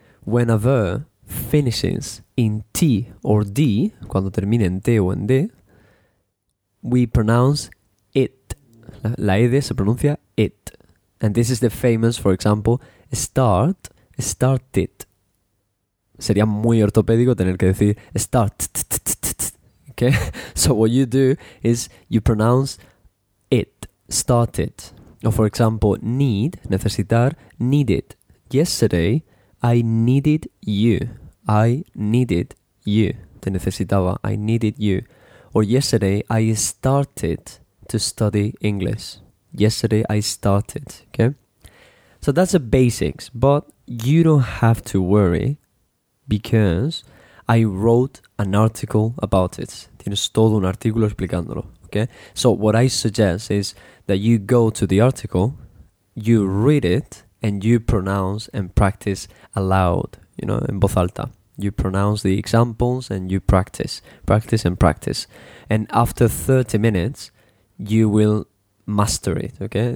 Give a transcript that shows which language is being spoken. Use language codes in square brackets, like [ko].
[en] When a verb finishes in T or D, [es] cuando termina en T o en D, [en] we pronounce it. [es] La ed se pronuncia it. [en] And this is the famous, for example, start, started. [es] Sería muy ortopédico tener que decir start. [en] Okay? So what you do is you pronounce it, started. Or for example, need, [es] necesitar, [en] needed. Yesterday, I needed you. I needed you. [es] Te necesitaba. [en] I needed you. Or yesterday, I started to study English. Yesterday I started, okay? So that's the basics, but you don't have to worry because I wrote an article about it. [es] Tienes todo un artículo explicándolo, okay? [en] So what I suggest is that you go to the article, you read it, and you pronounce and practice aloud, you know, [es] en voz alta. [en] You pronounce the examples and you practice, practice and practice. And after 30 minutes, you will master it, okay?